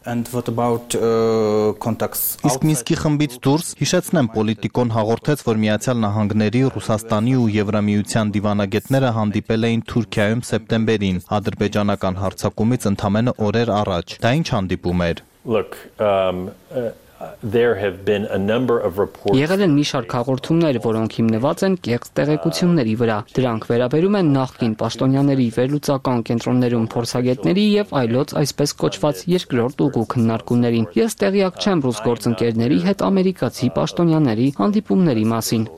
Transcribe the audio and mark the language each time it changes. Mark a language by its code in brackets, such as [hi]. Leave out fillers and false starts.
[en] And what about contacts? [hy] Իսկ Միսկի խմբից դուրս, հիշեցնեմ, Պոլիտիկոն հաղորդեց, որ Միացյալ Նահանգների, Ռուսաստանի ու Եվրամիության դիվանագետները հանդիպել էին Թուրքիայում սեպտեմբերին, ադրբեջանական հարձակումից ընդամենը օրեր առաջ։ Դա ինչ հանդիպում էր։ [en] Look, there have been a number of reports. [hy] Եղել են մի շարք հաղորդումներ, որոնք հիմնված են կեղծ տեղեկությունների վրա։ Դրանք վերաբերում են նախկին պաշտոնյաների վերլուծական կենտրոններում փորձագետների եւ այլոց այսպես կոչված երկրորդ ուղու քննարկումներին։ Ես տեղյակ չեմ ռուս գործընկերների հետ ամերիկացի պաշտոնյաների հանդիպումների մասին։